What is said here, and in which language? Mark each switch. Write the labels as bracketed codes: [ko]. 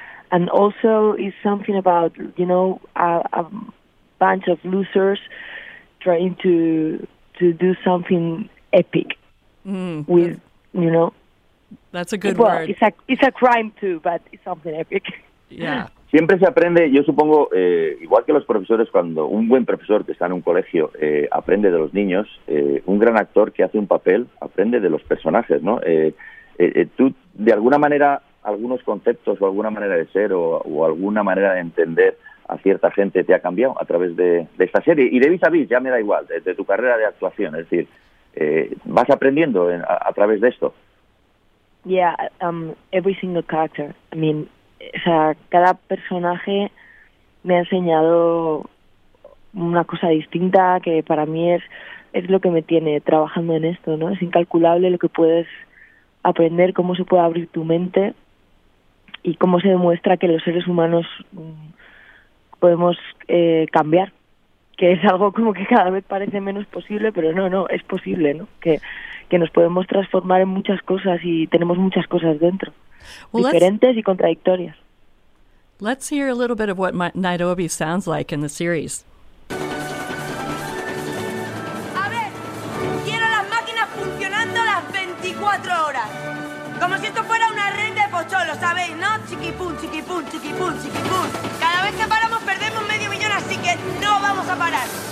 [en] And also is something about, you know, a bunch of losers trying to do something epic with, you know. That's a good word. It's a crime too, but it's something epic. Yeah. [es] Siempre se aprende, yo supongo, igual que los profesores, cuando un buen profesor que está en un colegio aprende de los niños, un gran actor que hace un papel aprende de los personajes, ¿no? Tú, de alguna manera, algunos conceptos o alguna manera de ser o alguna manera de entender a cierta gente te ha cambiado a través de esta serie. Y de Vis a Vis, ya me da igual, de tu carrera de actuación. Es decir, vas aprendiendo a través de esto. [en] Yeah, every single character, I mean, [es] o sea, cada personaje me ha enseñado una cosa distinta que para mí es lo que me tiene trabajando en esto, ¿no? Es incalculable lo que puedes aprender, cómo se puede abrir tu mente y cómo se demuestra que los seres humanos podemos cambiar, que es algo como que cada vez parece menos posible, pero no, es posible, ¿no? Que nos podemos transformar en muchas cosas y tenemos muchas cosas dentro. Well, diferentes y contradictorias. [en] Let's hear a little bit of what Nairobi sounds like in the series. [es] A ver, quiero las máquinas funcionando las 24 horas. Como si esto fuera una red de pocholos, ¿sabéis, no? Chiquipum, chiquipum, chiquipum, chiquipum. Cada vez que paramos perdemos medio millón, así que no vamos a parar.